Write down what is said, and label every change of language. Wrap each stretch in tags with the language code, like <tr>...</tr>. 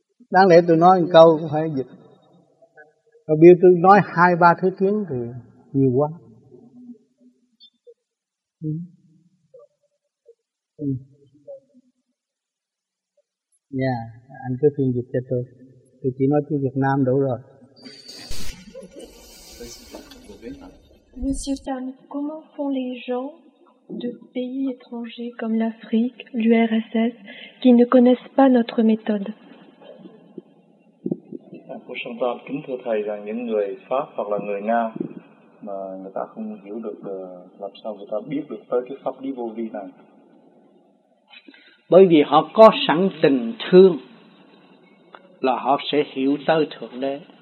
<vi>Đáng lẽ tôi nói một câu cũng phải dịch. Rồi bây giờ tôi nói hai ba thứ tiếng thì nhiều quá. Dạ, anh cứ phiên dịch cho tôi. Tôi chỉ nói tiếng Việt Nam đủ rồi.</vi> <fr>Monsieur Tan, comment font les gens de pays étrangers comme l'Afrique, l'URSS, qui ne connaissent pas notre méthode?</fr> <vi>Monsieur Tan, kính thưa thầy rằng những người Pháp hoặc là người Nga mà người ta không hiểu được làm sao người ta biết được tới cái pháp lý vô vi này? Bởi vì họ có sẵn tình thương là họ sẽ hiểu tới Thượng Đế.</vi>